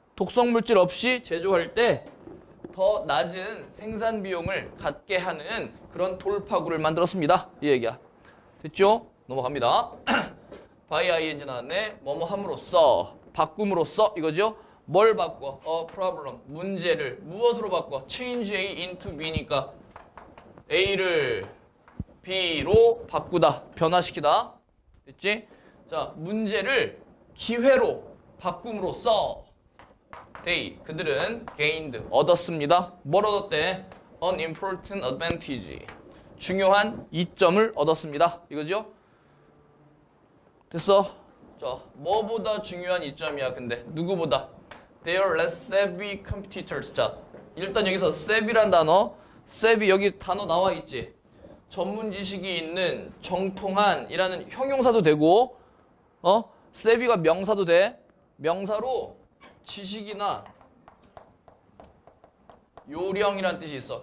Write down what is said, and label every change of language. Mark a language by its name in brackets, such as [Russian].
[Korean] 독성 물질 없이 제조할 때 더 낮은 생산 비용을 갖게 하는 그런 돌파구를 만들었습니다. 이 얘기야. 됐죠? 넘어갑니다. by ing 나왔네. 뭐뭐 함으로써 바꿈으로써 이거죠. 뭘 바꿔? a problem 문제를 무엇으로 바꿔? [English] change a into b [Korean] 니까 a를 b로 바꾸다 변화시키다. 됐지? 자, 문제를 기회로 바꿈으로써 they 그들은 gained 얻었습니다. 뭘 얻었대? [English] an important advantage [Korean] 중요한 이점을 얻었습니다. 이거죠? 됐어? 자, 뭐보다 중요한 이점이야, 근데. 누구보다? [English] They are less savvy competitors. [Korean] 자, 일단 여기서 savvy란 단어. savvy, 여기 단어 나와 있지. 전문 지식이 있는 정통한 이라는 형용사도 되고, savvy가 명사도 돼. 명사로 지식이나 요령이란 뜻이 있어.